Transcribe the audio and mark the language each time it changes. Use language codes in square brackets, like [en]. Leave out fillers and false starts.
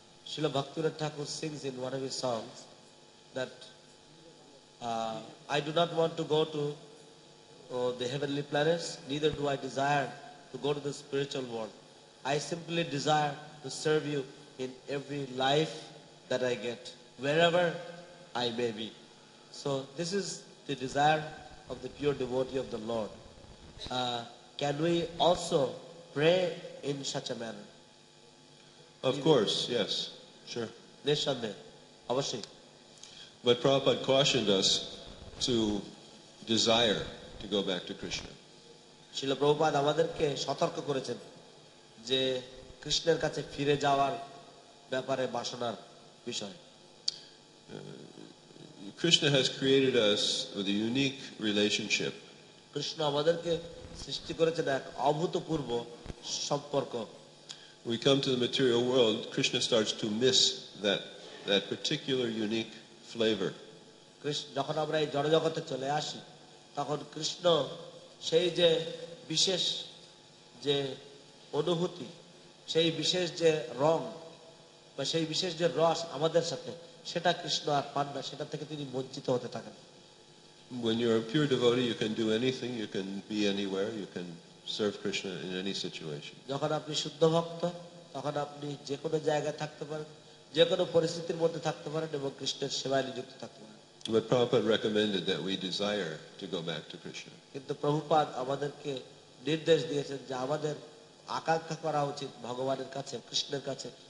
[en] শিল ভক্তিমন Thakur sings in one of his songs that I do not want to go to the heavenly planets, neither do I desire to go to the spiritual world, I simply desire to serve you in every life that I get, wherever I may be. So this is the desire of the pure devotee of the Lord. Can we also pray in such a manner? Of course, yes, sure. [bn] Nishande, avashyam. [en] But Prabhupada cautioned us to desire to go back to Krishna. [bn] Srila Prabhupada amaderke shotorko korechen je Krishner kache phire jawar ব্যাপারে বাসনার বিষয়। [en] Krishna has created us with a unique relationship. [bn] Krishna আমাদেরকে সৃষ্টি করেছেন এক অভূতপূর্ব সম্পর্ক। [en] We come to the material world, Krishna starts to miss that particular unique flavor. [bn] Krishna যখন আমরা এই জড়জগতে চলে আসি তখন কৃষ্ণ সেই যে বিশেষ যে অনুভূতি, সেই বিশেষ যে রং বা সেই বিশেষ যে রস আমাদের সাথে, সেটা কৃষ্ণ আর পান না, সেটা থেকে তিনি বঞ্চিত হতে থাকেন। [en] When you are a pure devotee, you can do anything, you can be anywhere, you can serve Krishna in any situation. [bn] যখন আপনি শুদ্ধ ভক্ত তখন আপনি যে কোনো জায়গায় থাকতে পারেন, যে কোনো পরিস্থিতির মধ্যে থাকতে পারেন এবং কৃষ্ণের সেবায় নিযুক্ত থাকতে পারেন। [en] But Prabhupada recommended that we desire to go back to Krishna. [bn] কিন্তু প্রভুপাদ আমাদেরকে নির্দেশ দিয়েছেন যে আমাদের আকাঙ্ক্ষা করা উচিত ভগবানের কাছে, কৃষ্ণের কাছে।